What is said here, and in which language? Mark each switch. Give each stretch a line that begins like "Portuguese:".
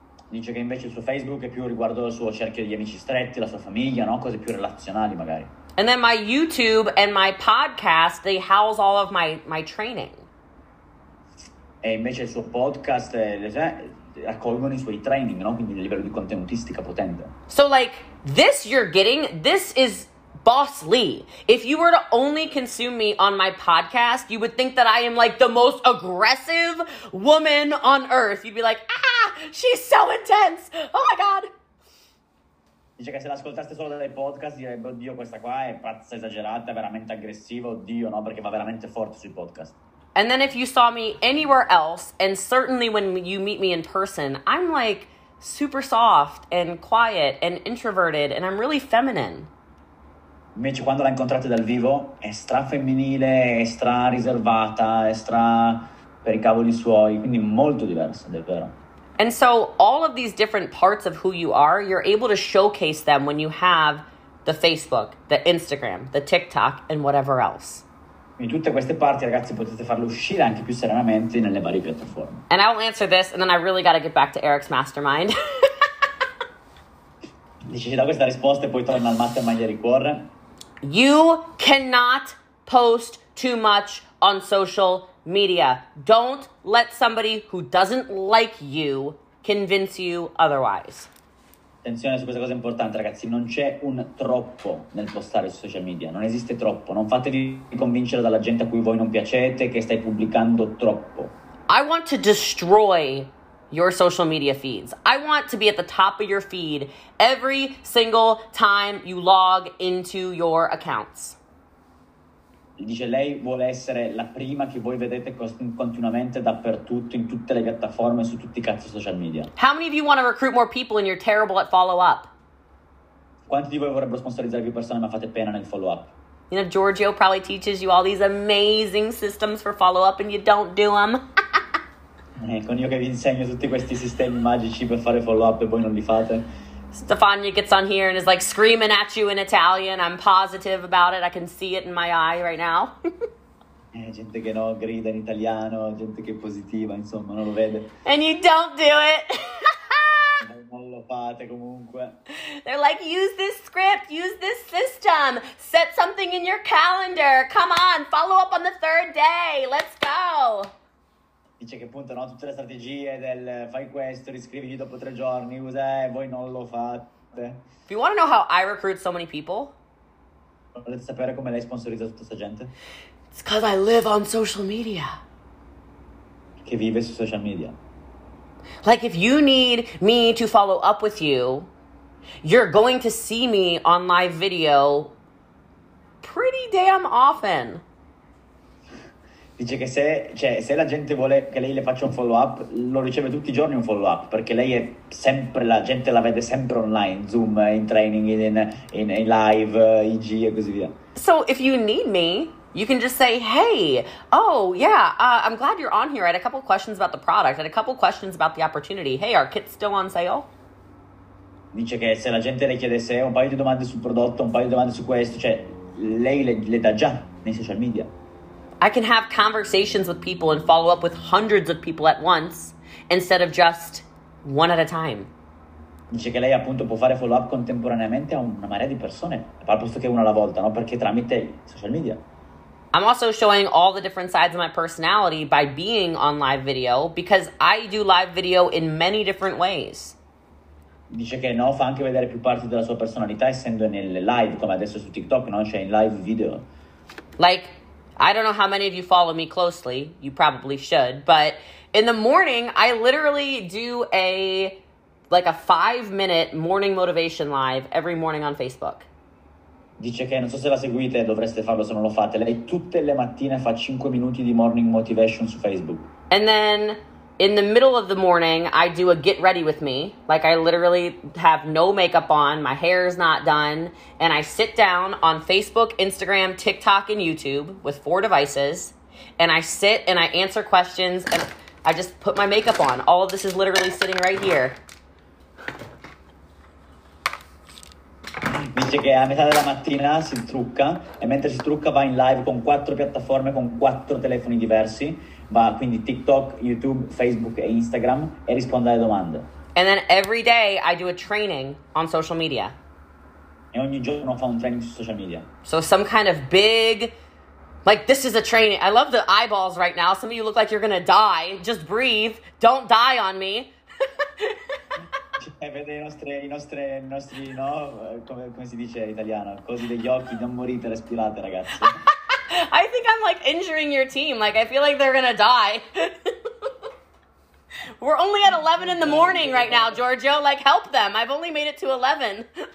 Italian: Dice che invece il suo Facebook è più riguardo al suo cerchio di amici stretti, la sua famiglia, no? Cose più relazionali magari.
English: And then my YouTube and my podcast, they house all of my training.
Italian: E invece il suo podcast raccolgono i suoi training, no? Quindi il livello di contenutistica potente.
English: So like, this you're getting, this is Boss Lee. If you were to only consume me on my podcast, you would think that I am like the most aggressive woman on earth. You'd be like, she's so intense. Oh my God.
Italian: Dice che se l'ascoltaste solo dai podcast direbbe, oddio, questa qua è pazza, esagerata, veramente aggressiva, oddio, no, perché va veramente forte sui podcast.
English: And then if you saw me anywhere else, and certainly when you meet me in person, I'm like super soft and quiet and introverted and I'm really feminine.
Italian: Invece quando la incontrate dal vivo è stra femminile, è stra riservata, è stra per i cavoli suoi, quindi molto diversa, davvero.
English: And so all of these different parts of who you are, you're able to showcase them when you have the Facebook, the Instagram, the TikTok, and whatever else.
Italian: In tutte queste parti, ragazzi, potete farle uscire anche più serenamente nelle varie piattaforme.
English: And I will answer this, and then I really got to get back to Eric's mastermind.
Italian: Dici, da questa risposta e poi torna al mastermind e ricorre.
English: You cannot post too much on social media. Don't let somebody who doesn't like you convince you otherwise.
Italian: Attenzione su questa cosa importante, ragazzi. Non c'è un troppo nel postare su social media. Non esiste troppo. Non fatevi convincere dalla gente a cui voi non piacete che stai pubblicando troppo.
English: I want to destroy your social media feeds. I want to be at the top of your feed every single time you log into your accounts.
Italian: dice lei vuole essere la prima che voi vedete continuamente dappertutto in tutte le piattaforme su tutti I cazzo social media.
English: How many of you want to recruit more people and you're terrible at follow up?
Italian: Quanti di voi vorrebbero sponsorizzare più persone ma fate pena nel follow up?
English: You know, Giorgio probably teaches you all these amazing systems for follow up and you don't do them.
Italian: Ecco, io che vi insegno tutti questi sistemi magici per fare follow up e voi non li fate.
English: Stefania gets on here and is like screaming at you in Italian. I'm positive about it. I can see it in my eye right now.
Italian: Gente che no, grida in italiano, gente che è positiva, insomma, non lo vede.
English: And you don't do it.
Italian: Non lo fate comunque.
English: They're like, use this script, use this system, set something in your calendar. Come on, follow up on the third day. Let's go.
Italian: Dice che appunto no, tutte le strategie del fai questo, riscrivigli dopo tre giorni, usa e voi non lo fate.
English: If you want to know how I recruit so many people,
Italian: volete sapere come lei sponsorizza tutta questa gente?
English: It's because I live on social media.
Italian: Che vive su social media.
English: Like if you need me to follow up with you, you're going to see me on live video pretty damn often.
Italian: Dice che se, cioè, se la gente vuole che lei le faccia un follow up, lo riceve tutti I giorni un follow up, perché lei è sempre, la gente la vede sempre online, Zoom, in training, in live, IG e così via.
English: So if you need me, you can just say, hey, oh yeah, I'm glad you're on here. I had a couple questions about the product, I had a couple questions about the opportunity. Hey, are kits still on sale?
Italian: Dice che se la gente le chiedesse un paio di domande sul prodotto, un paio di domande su questo, cioè lei le dà già nei social media.
English: I can have conversations with people and follow up with hundreds of people at once instead of just one at a time.
Italian: Dice che lei appunto può fare follow up contemporaneamente a una marea di persone, al posto che una alla volta, no? Perché tramite social media.
English: I'm also showing all the different sides of my personality by being on live video because I do live video in many different ways.
Italian: Dice che no, fa anche vedere più parti della sua personalità essendo nel live, come adesso su TikTok, no? Cioè in live video.
English: Like, I don't know how many of you follow me closely, you probably should, but in the morning, I literally do a 5-minute morning motivation live every morning on Facebook.
Italian: Dice che, non so se la seguite, dovreste farlo se non lo fate, lei tutte le mattine fa 5 minuti di morning motivation su Facebook.
English: And then, in the middle of the morning, I do a get ready with me, like I literally have no makeup on, my hair is not done, and I sit down on Facebook, Instagram, TikTok, and YouTube with 4 devices, and I sit and I answer questions, and I just put my makeup on. All of this is literally sitting right here.
Italian: Dice che a metà della mattina si trucca e mentre si trucca va in live con 4 piattaforme, con 4 telefoni diversi. Va quindi TikTok, YouTube, Facebook e Instagram e risponde alle domande.
English: And then every day I do a training on social media.
Italian: E ogni giorno fa un training su social media.
English: So some kind of big, like this is a training. I love the eyeballs right now. Some of you look like you're gonna die. Just breathe. Don't die on me.
Italian: E vede i nostri no, come si dice in italiano, così degli occhi, non morite, respirate ragazzi.
English: I think I'm like injuring your team, like I feel like they're gonna die. We're only at 11 in the morning right now, Giorgio, like help them, I've only made it to 11.